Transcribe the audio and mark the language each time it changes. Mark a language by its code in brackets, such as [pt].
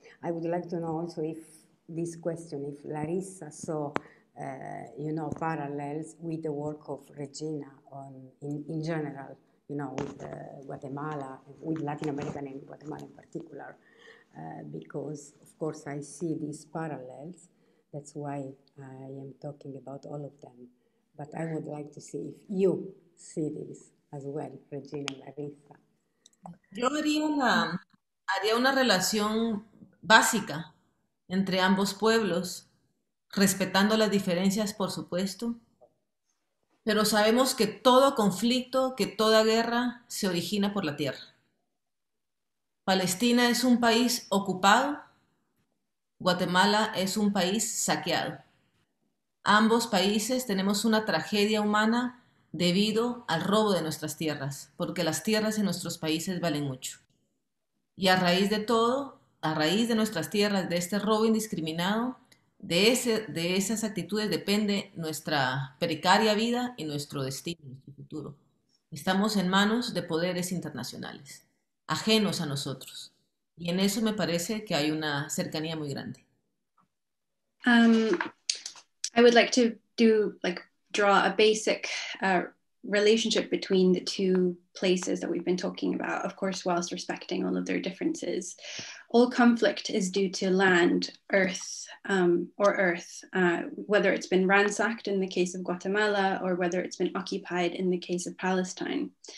[en] I would like to know also if this question, if Larissa saw, you know, parallels with the work of Regina on in general, you know, with Guatemala, with Latin America and Guatemala in particular, because of course I see these parallels. That's why I am talking about all of them. But I would like to see if you see this as well, Regina, Larissa. [es] Yo haría una relación básica entre ambos pueblos, respetando las diferencias, por supuesto. Pero sabemos que todo conflicto, que toda guerra, se origina por la tierra. Palestina es un país ocupado, Guatemala es un país saqueado. Ambos países tenemos una tragedia humana debido al robo de nuestras tierras, porque las tierras en nuestros países valen mucho. Y a raíz de todo, a raíz de nuestras tierras, de este robo indiscriminado, de esas actitudes depende nuestra precaria vida y nuestro destino, nuestro futuro. Estamos en manos de poderes internacionales, ajenos a nosotros. Y en eso me parece que hay una cercanía muy grande. [en] I would like to do, like, draw a basic relationship between the two places that we've been talking about, of course, whilst respecting all of their differences. All conflict is due to land, earth, whether it's been ransacked in the case of Guatemala or whether it's been occupied in the case of Palestine.